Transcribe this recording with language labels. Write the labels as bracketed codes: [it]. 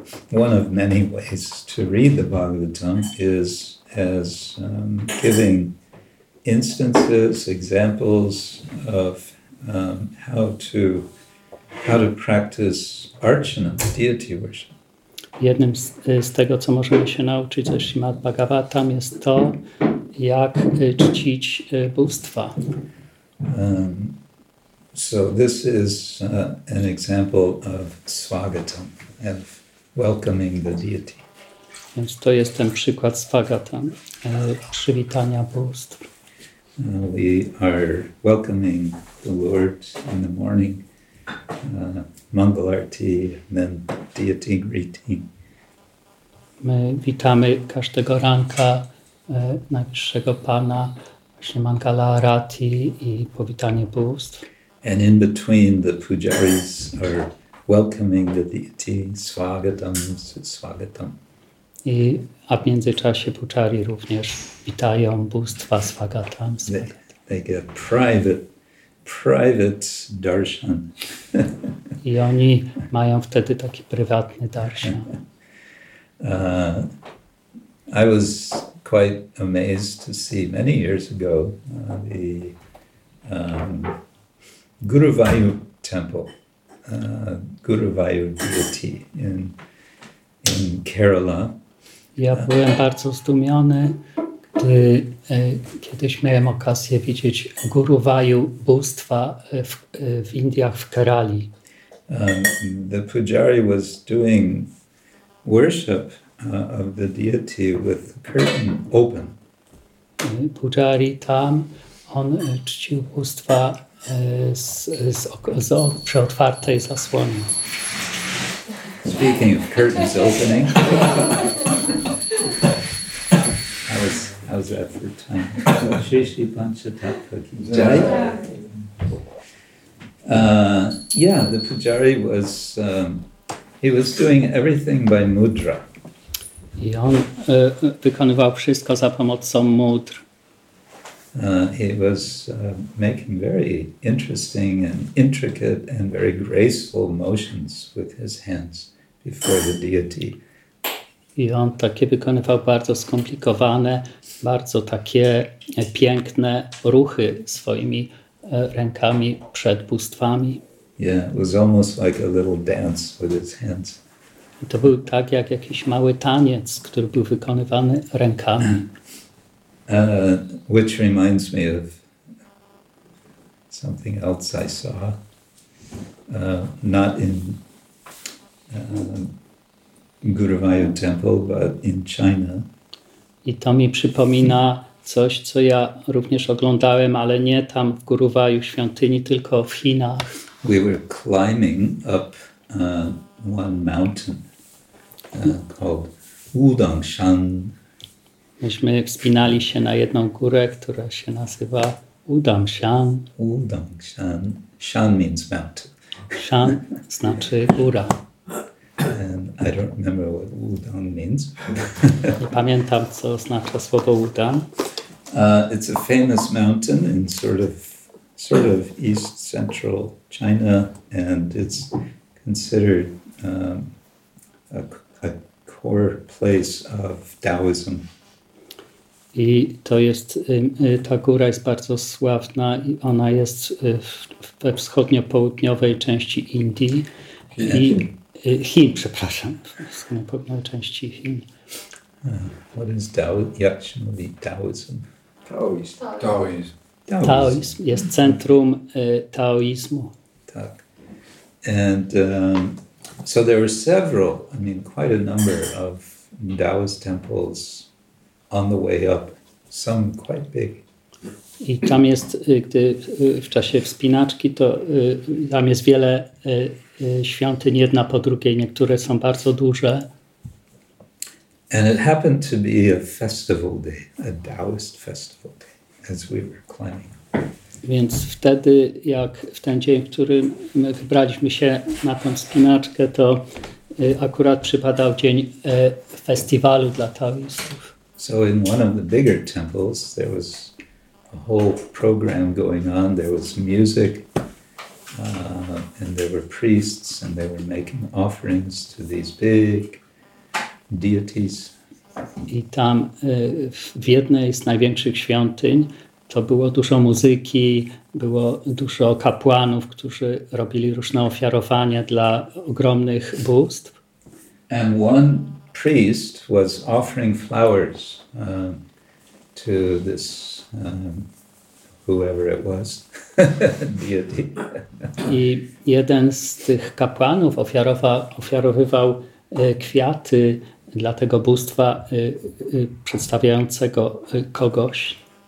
[en] One of many ways to read the Bhagavatam is as giving instances, examples of how to practice archana, deity worship. [pl] Jednym z tego, co możemy się nauczyć ze Śrimad Bhagavatam, jest to, jak czcić bóstwa. [en] So this is an example of swagatam, of welcoming the deity. [pl] Więc to jest ten przykład z Bhagavatam, przywitania bóstw. [en] We are welcoming the Lord in the morning, Mangal Arti, and then deity greeting. [pl] My witamy każdego ranka Najwyższego Pana, właśnie Mangala Arati i powitanie bóstw. [en] And in between the pujaris are welcoming the deity, swagatam, swagatam. [pl] I, a w międzyczasie pujari również witają bóstwa swagatam. [en] They get private darshan. [pl] I oni mają wtedy taki prywatny darshan. [en] I was quite amazed to see many years ago the Guruvayu temple, Guruvayu deity in Kerala. [pl] Ja byłem bardzo zdumiony, gdy kiedyś miałem okazję widzieć Guruvayu bóstwa w Indiach, w Kerali. [en] The pujari was doing worship of the deity with the curtain open. [pl] Pujari tam, on czcił bóstwa z przeotwartej zasłony. [en] Speaking of curtains opening. How's that for time? [hi] Shishi Panchatattva ki jai. [en] Yeah, the pujari was, he was doing everything by mudra. [pl] I on wykonywał wszystko za pomocą mudr. [en] He was making very interesting and intricate and very graceful motions with his hands before the deity. [pl] I on takie wykonywał bardzo skomplikowane, bardzo takie piękne ruchy swoimi rękami przed bóstwami. [en] Yeah, it was almost like a little dance with his hands. [pl] To był tak jak jakiś mały taniec, który był wykonywany rękami. [en] Which reminds me of something else I saw. Not in Guruvayu temple, but in China. [pl] I to mi przypomina coś, co ja również oglądałem, ale nie tam w Guruvayu świątyni, tylko w Chinach. [en] We were climbing up one mountain. Called Udangshan. [pl] Myśmy wspinali się na jedną górę, która się nazywa Udangshan. [en] Udangshan. Shan means mountain. [pl] Shan znaczy góra. [en] And I don't remember what Udang means. [pl] Nie pamiętam, co oznacza słowo Udang. [en] It's a famous mountain in sort of east central China, and it's considered a core place of Taoism. [pl] I to jest, ta góra jest bardzo sławna i ona jest we wschodnio-południowej części Indii. I Chin, przepraszam. Wschodnio-południowej części Chin. [en] What is Taoism? [pl] Jak się mówi Taoism? [en] Taoism. [pl] Jest centrum Taoizmu. Tak. [en] And so there were several, I mean, quite a number of Taoist temples on the way up, some quite big. [pl] I tam jest, gdy w czasie wspinaczki, to tam jest wiele świątyń, jedna po drugiej, niektóre są bardzo duże. [en] And it happened to be a festival day, a Taoist festival day, as we were climbing. [pl] Więc wtedy, jak w ten dzień, w którym my wybraliśmy się na tą spinaczkę, to akurat przypadał dzień festiwalu dla taoistów. [en] So in one of the bigger temples, there was a whole program going on. There was music, and there were priests, and they were making offerings to these big deities. [pl] I tam w jednej z największych świątyń to było dużo muzyki, było dużo kapłanów, którzy robili różne ofiarowania dla ogromnych bóstw. [en] And one priest was offering flowers to this whoever it was, deity. [pl] I jeden z tych kapłanów ofiarowywał kwiaty dla tego bóstwa przedstawiającego kogoś.